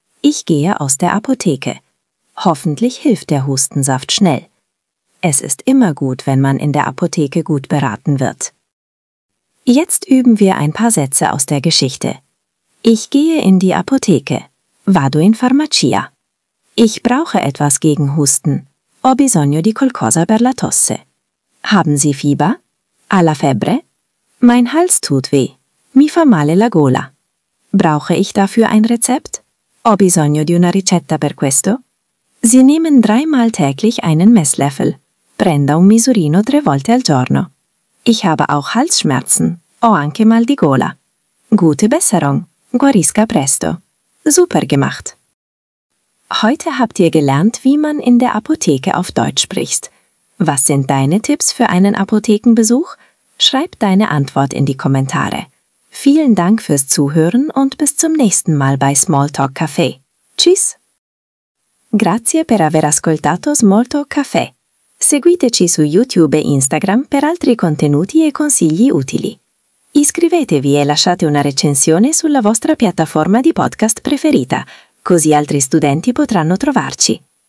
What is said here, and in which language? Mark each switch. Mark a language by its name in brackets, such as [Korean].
[German] Ich gehe aus der Apotheke. Hoffentlich hilft der Hustensaft schnell. Es ist immer gut, wenn man in der Apotheke gut beraten wird. Jetzt üben wir ein paar Sätze aus der Geschichte. Ich gehe in die Apotheke. [Italian] Vado in farmacia. [German] Ich brauche etwas gegen Husten. [Italian] Ho bisogno di qualcosa per la tosse. [German] Haben Sie Fieber? [Italian] Ha la febbre? [German] Mein Hals tut weh. [Italian] Mi fa male la gola. [German] Brauche ich dafür ein Rezept? [Italian] Ho bisogno di una ricetta per questo? [German] Sie nehmen dreimal täglich einen Messlöffel. [Italian] Prenda un misurino tre volte al giorno. [German] Ich habe auch Halsschmerzen. [Italian] Ho anche mal di gola. [German] Gute Besserung. [Italian] Guarisca presto. [German] Super gemacht. Heute habt ihr gelernt, wie man in der Apotheke auf Deutsch spricht. Was sind deine Tipps für einen Apothekenbesuch? Schreib deine Antwort in die Kommentare. Vielen Dank fürs Zuhören und bis zum nächsten Mal bei Small Talk Café. Tschüss! [Italian] Grazie per aver ascoltato Small Talk Café. Seguiteci su YouTube e Instagram per altri contenuti e consigli utili. Iscrivetevi e lasciate una recensione sulla vostra piattaforma di podcast preferita, così altri studenti potranno trovarci.